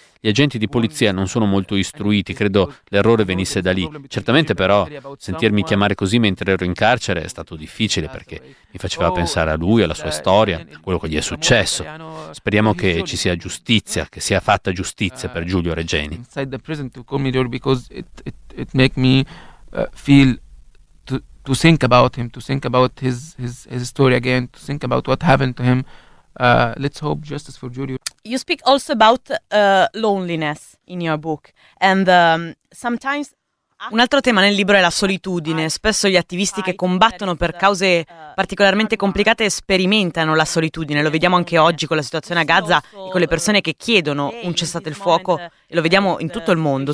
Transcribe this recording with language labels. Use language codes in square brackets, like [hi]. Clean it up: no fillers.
[it] Gli agenti di polizia non sono molto istruiti, credo l'errore venisse da lì. Certamente però sentirmi chiamare così mentre ero in carcere è stato difficile, perché mi faceva pensare a lui, alla sua storia, a quello che gli è successo. Speriamo che ci sia giustizia, che sia fatta giustizia per Giulio Regeni. [en] Inside the prison to call me there because it make me feel to think about him, to think about his story again, to think about what happened to him. Let's hope justice for Giulio. You speak also about loneliness in your book, and sometimes. [it] Un altro tema nel libro è la solitudine. Spesso gli attivisti che combattono per cause particolarmente complicate sperimentano la solitudine. Lo vediamo anche oggi con la situazione a Gaza e con le persone che chiedono un cessate il fuoco. E lo vediamo in tutto il mondo.